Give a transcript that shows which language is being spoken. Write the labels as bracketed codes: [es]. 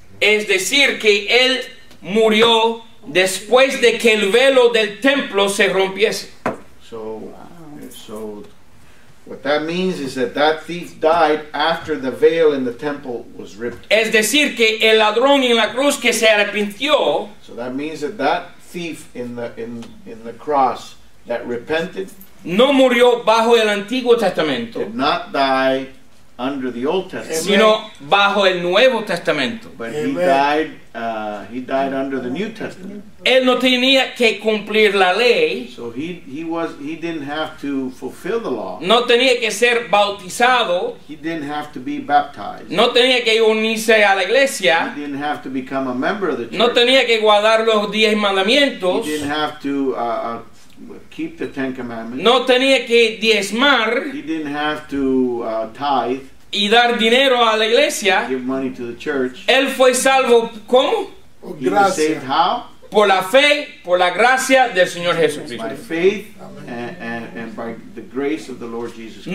[es] Es decir, que él murió después de que el velo del templo se rompiese. [en] So, wow. So what that means is that thief died after the veil in the temple was ripped. [es] Es decir, que el ladrón en la cruz que se arrepintió. [en] So that means that thief in the cross that repented, [es] no murió bajo el Antiguo Testamento, [en] did not die under the Old Testament, [es] sino bajo el Nuevo Testamento. [en] But he died under the New Testament. [es] Él no tenía que cumplir la ley. [en] So he didn't have to fulfill the law. [es] No tenía que ser bautizado. [en] He didn't have to be baptized. [es] No tenía que unirse a la iglesia. [en] He didn't have to become a member of the church. [es] No tenía que guardar los 10 mandamientos. [en] He didn't have to keep the Ten Commandments. [es] No tenía que diezmar. [en] He didn't have to tithe. [es] Y dar dinero a la iglesia. [en] Give money to the church. [es] Él fue salvo, ¿cómo? Por gracia. [en] He was saved how? [es] Por la fe, por la gracia del Señor Jesucristo. [en] By faith and by the grace of the Lord Jesus Christ.